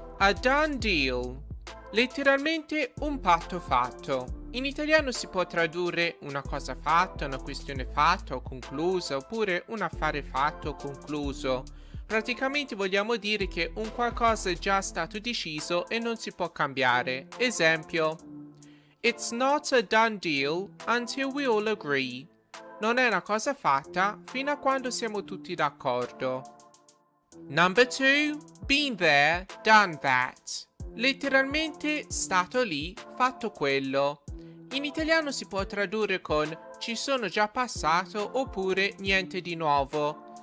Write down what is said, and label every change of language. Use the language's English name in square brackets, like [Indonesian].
[English] A done deal. [Italian] Letteralmente un patto fatto. In italiano si può tradurre una cosa fatta, una questione fatta o conclusa oppure un affare fatto o concluso. Praticamente vogliamo dire che un qualcosa è già stato deciso e non si può cambiare. [English] Esempio: It's not a done deal until we all agree. [Italian] Non è una cosa fatta fino a quando siamo tutti d'accordo. [English] Number 2. Been there, done that. [Italian] Letteralmente stato lì, fatto quello. In italiano si può tradurre con ci sono già passato oppure niente di nuovo.